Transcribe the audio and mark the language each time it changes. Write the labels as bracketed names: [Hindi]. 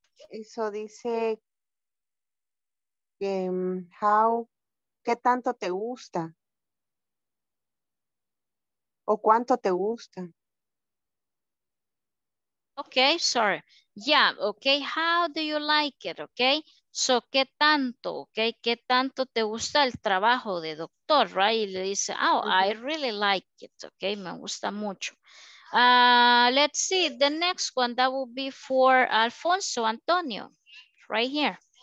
[Spanish] Eso dice, how, ¿qué tanto te gusta? ¿O cuánto te gusta? [English] Okay, sorry. Yeah, okay, how do you like it, okay? [Spanish] So, ¿qué tanto, okay? ¿Qué tanto te gusta el trabajo de doctor, right? Y le dice, [English] oh, mm-hmm. I really like it, okay? [Spanish] Me gusta mucho. [English] Let's see, the next one, that will be for Alfonso Antonio, right here.